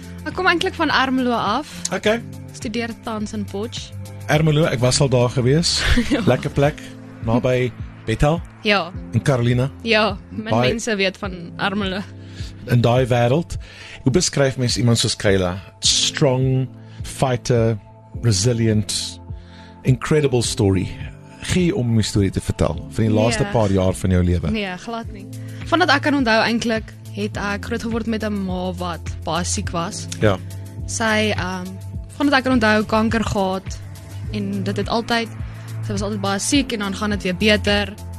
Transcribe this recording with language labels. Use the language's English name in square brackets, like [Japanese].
[Afrikaans] Ek kom eintlik van Ermelo af. Okay. Studeer tans in Potch. Ermelo, ek was al daar gewees. Lekker plek, naby Bethel. Ja. En Carolina. Ja, min mense weet van Ermelo. In die wereld, hoe beskryf mens iemand soos Kayla? [English] Strong, fighter, resilient, incredible story. [Afrikaans] Gee om my story te vertel, van die laaste paar jaar van jou leven. Nee, glad nie. Van dat ek kan onthou eintlik, het ek groot geword met 'n ma wat baie siek was. Ja. Sy, van dat ek kan onthou, kanker gehad, en dit het altyd, sy was altyd baie siek, en dan gaan het weer beter.